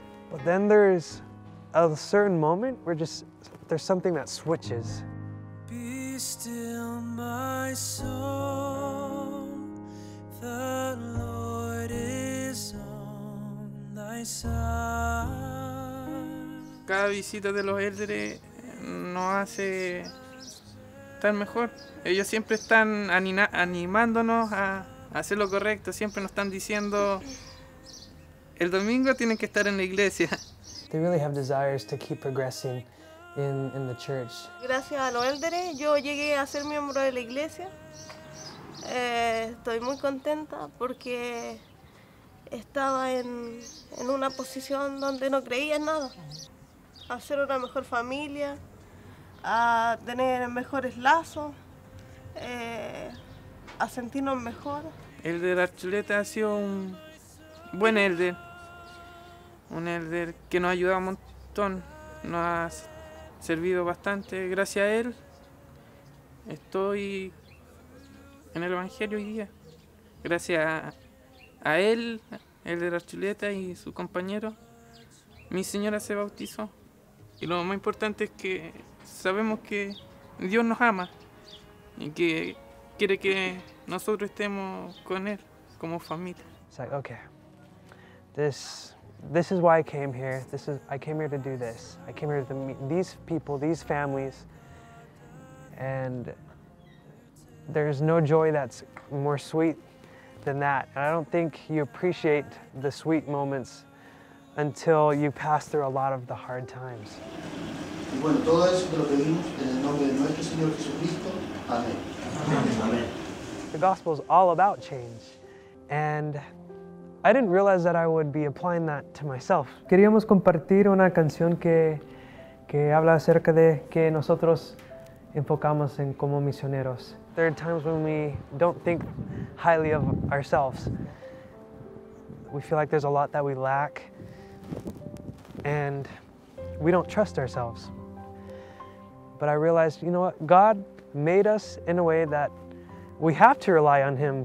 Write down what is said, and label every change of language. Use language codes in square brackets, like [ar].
[en] But then there's a certain moment where just there's something that switches. Be still my soul, the Lord is on thy side. [es] Cada visita de los elders nos hace estar mejor. Ellos siempre están animándonos a hacer lo correcto, siempre nos están diciendo el domingo tienen que estar en la iglesia. [en] They really have desires to keep progressing in the church. [es] Gracias a los elders, yo llegué a ser miembro de la iglesia. Estoy muy contenta porque estaba en una posición donde no creía en nada. A ser una mejor familia, a tener mejores lazos, a sentirnos mejor. El de la Archuleta ha sido un buen elder. Un elder que nos ha ayudado un montón, nos ha servido bastante. Gracias a él, estoy en el Evangelio hoy día. Gracias a él, el de la Archuleta y su compañero, mi señora se bautizó. Y lo más importante es que sabemos que Dios nos ama y que quiere que nosotros estemos con él como familia. [en] It's like, okay, This is why I came here. I came here to do this. I came here to meet these people, these families, and there's no joy that's more sweet than that. And I don't think you appreciate the sweet moments until you pass through a lot of the hard times. [es] Bueno, todo eso te lo pedimos en el nombre de nuestro Señor Jesucristo. Amén. [en] Amén. Amén. The gospel is all about change. And I didn't realize that I would be applying that to myself. [es] Queríamos compartir una canción que habla acerca de que nosotros enfocamos en como misioneros. [en] There are times when we don't think highly of ourselves. We feel like there's a lot that we lack, and we don't trust ourselves. But I realized, you know what? God made us in a way that we have to rely on Him.